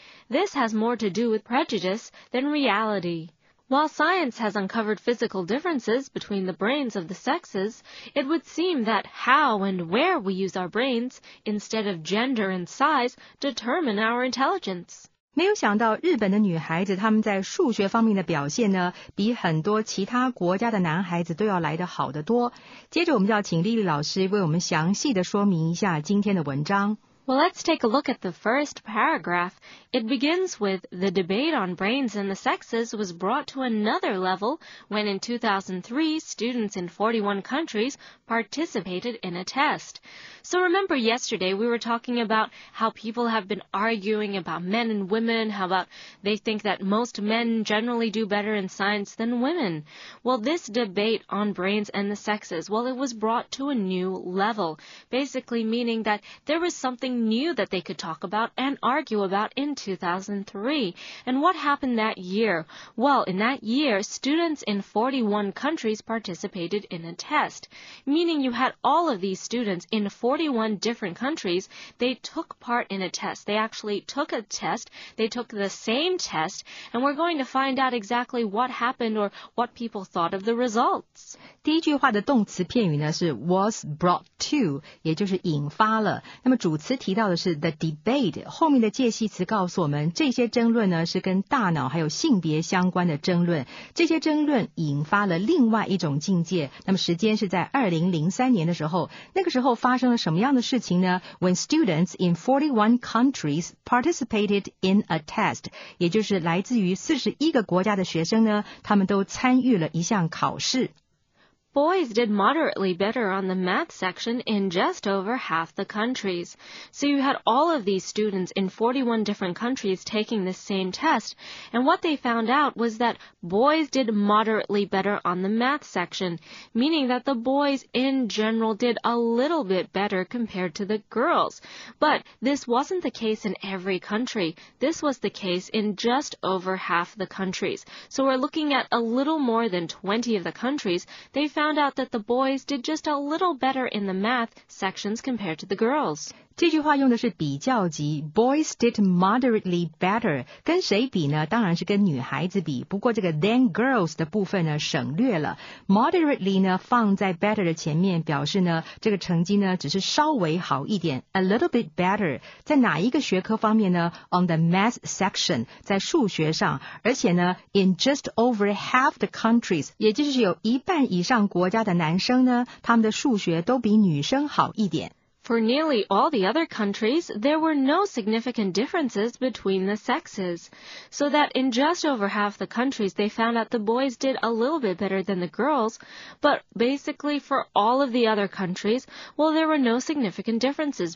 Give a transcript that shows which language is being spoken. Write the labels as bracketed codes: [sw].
[en] This has more to do with prejudice than reality. While science has uncovered physical differences between the brains of the sexes, it would seem that how and where we use our brains, instead of gender and size, determine our intelligence. [zh] 没有想到日本的女孩子她们在数学方面的表现呢，比很多其他国家的男孩子都要来得好得多。接着我们要请丽丽老师为我们详细的说明一下今天的文章。 [en] Well, let's take a look at the first paragraph. It begins with, The debate on brains and the sexes was brought to another level when in 2003, students in 41 countries participated in a test. So remember yesterday we were talking about how people have been arguing about men and women, how about they think that most men generally do better in science than women. Well, this debate on brains and the sexes, well, it was brought to a new level, basically meaning that there was something new that they could talk about and argue about in 2003. And what happened that year? Well, in that year, students in 41 countries participated in a test, meaning you had all of these students in 41 different countries. They took part in a test. They actually took a test. They took the same test. And we're going to find out exactly what happened or what people thought of the results. [zh] 第一句话的动词片语呢是 [en] was brought to, [zh] 也就是引发了。那么主词提到的是 [en] the debate, [zh] 后面的介系词告诉我们这些争论呢是跟大脑还有性别相关的争论，这些争论引发了另外一种境界。那么时间是在2003年的时候，那个时候发生了什么样的事情呢？ [en] When students in 41 countries participated in a test, [zh] 也就是来自于41个国家的学生呢，他们都参与了一项考试。 [en] boys did moderately better on the math section in just over half the countries. So you had all of these students in 41 different countries taking this same test, and what they found out was that boys did moderately better on the math section, meaning that the boys in general did a little bit better compared to the girls. But this wasn't the case in every country. This was the case in just over half the countries. So we're looking at a little more than 20 of the countries. They found out that the boys did just a little better in the math sections compared to the girls. [zh] 这句话用的是比较级 , [en] boys did moderately better, [zh] 跟谁比呢当然是跟女孩子比不过这个 [en] than girls [zh] 的部分呢省略了。 moderately 呢放在 better 的前面表示呢这个成绩呢只是稍微好一点 , [en] a little bit better, [zh] 在哪一个学科方面呢 ? [en] on the math section, [zh] 在数学上而且呢 , [en] in just over half the countries, [zh] 也就是有一半以上国家的男生呢他们的数学都比女生好一点。 [en] For nearly all the other countries, there were no significant differences between the sexes. So that in just over half the countries, they found out the boys did a little bit better than the girls. But basically for all of the other countries, well, there were no significant differences.